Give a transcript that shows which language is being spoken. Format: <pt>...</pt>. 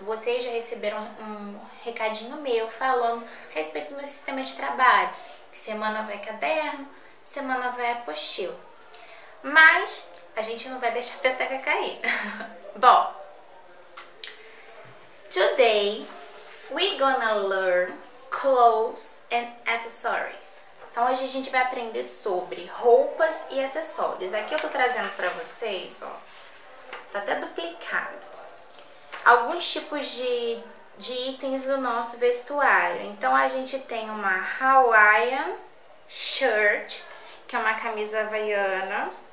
<pt>Vocês já receberam um recadinho meu falando a respeito do meu sistema de trabalho. Semana vai caderno, semana vai apostila. Mas a gente não vai deixar a peteca cair.</pt> <en>Bom, today we're gonna learn clothes and accessories.</en> <pt>Então, hoje a gente vai aprender sobre roupas e acessórios. Aqui eu tô trazendo pra vocês, ó. Tá até duplicado. Alguns tipos de itens do nosso vestuário. Então, a gente tem uma</pt> <en>Hawaiian shirt,</en> <pt>que é uma camisa havaiana.</pt>